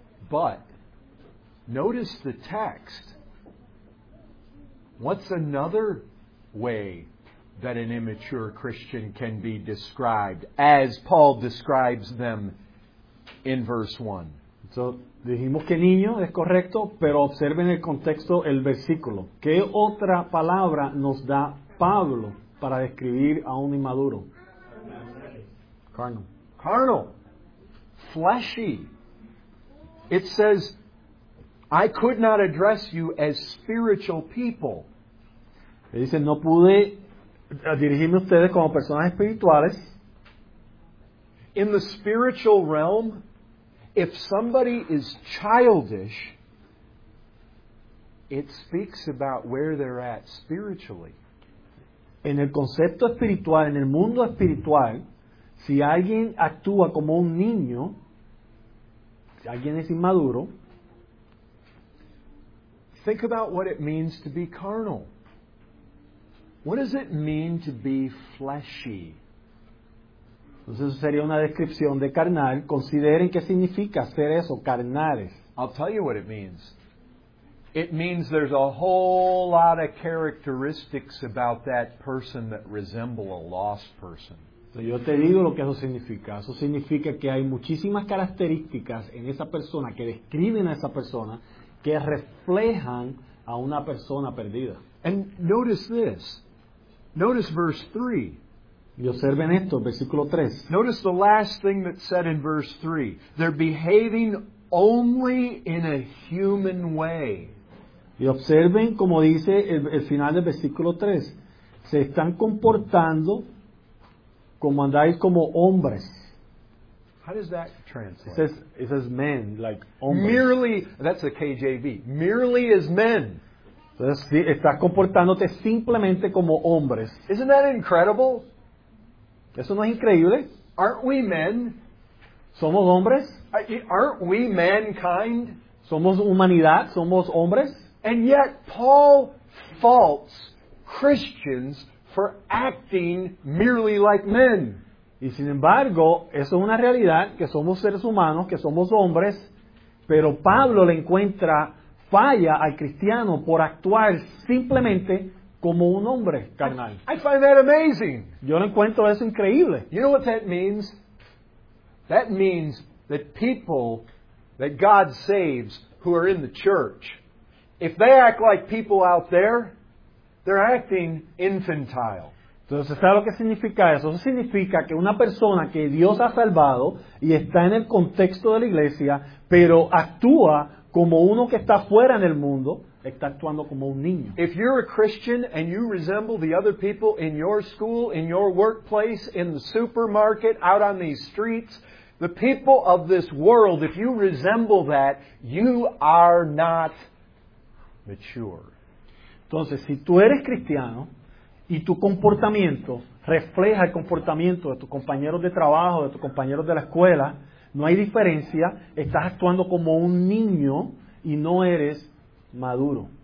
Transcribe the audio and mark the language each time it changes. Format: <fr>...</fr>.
<en>But notice the text. What's another way that an immature Christian can be described as Paul describes them in verse 1?</en> <es>So, dijimos que niño es correcto, pero observen el contexto, el versículo. ¿Qué otra palabra nos da Pablo para describir a un inmaduro?</es> <en>Carnal. Carnal. Fleshy. It says, I could not address you as spiritual people.</en> <es>Él dice, no pude dirigirme a ustedes como personas espirituales.</es> <en>In the spiritual realm, if somebody is childish, it speaks about where they're at spiritually.</en> <es>En el concepto espiritual, en el mundo espiritual, si alguien actúa como un niño, si alguien es inmaduro,</es> <en>think about what it means to be carnal. What does it mean to be fleshy?</en> <es>Entonces sería una descripción de carnal. Consideren qué significa ser eso, carnales.</es> <en>I'll tell you what it means. It means there's a whole lot of characteristics about that person that resemble a lost person.</en> <es>Yo te digo lo que eso significa. Eso significa que hay muchísimas características en esa persona que describen a esa persona que reflejan a una persona perdida.</es> <en>And notice this. Notice verse 3.</en> <es>Y observen esto, versículo 3.</es> <en>Notice the last thing that's said in verse 3. They're behaving only in a human way.</en> <es>Y observen como dice el final del versículo 3. Se están comportando como andáis como hombres.</es> <en>How does that translate? It says men, like hombres. Merely, that's a KJV. Merely as men.</en> <es>Entonces, estás comportándote simplemente como hombres.</es> <en>Isn't that incredible?</en> <es>¿Eso no es increíble?</es> <en>Aren't we men?</en> <es>¿Somos hombres?</es> <en>Aren't we mankind?</en> <es>¿Somos humanidad? ¿Somos hombres?</es> <en>And yet Paul faults Christians for acting merely like men.</en> <es>Y sin embargo, eso es una realidad, que somos seres humanos, que somos hombres, pero Pablo le encuentra falla al cristiano por actuar simplemente como un hombre carnal.</es> <en>I find that amazing.</en> <es>Yo lo encuentro eso increíble.</es> <en>You know what that means? That means that people that God saves who are in the church, if they act like people out there, they're acting infantile.</en> <es>Entonces, ¿sabes lo que significa eso? Eso significa que una persona que Dios ha salvado y está en el contexto de la iglesia, pero actúa como uno que está fuera en el mundo, está actuando como un niño.</es> <en>If you're a Christian and you resemble the other people in your school, in your workplace, in the supermarket, out on these streets, the people of this world, if you resemble that, you are not mature.</en> <es>Entonces, si tú eres cristiano y tu comportamiento refleja el comportamiento de tus compañeros de trabajo, de tus compañeros de la escuela, no hay diferencia, estás actuando como un niño y no eres maduro.</es>